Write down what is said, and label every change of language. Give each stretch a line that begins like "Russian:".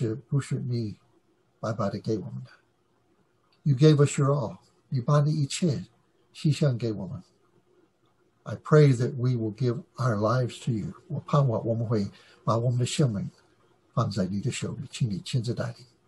Chinese: 帮助我们思想到这个事情。我们的救恩我们是白白得的，可是不是你白白的给我们的。
English: You gave us your all.
Chinese: 你把你一切牺牲给我们。
English: I pray that we will give our lives to you.
Chinese: 我盼望我们会把我们的生命放在你的手里，请你亲自带领。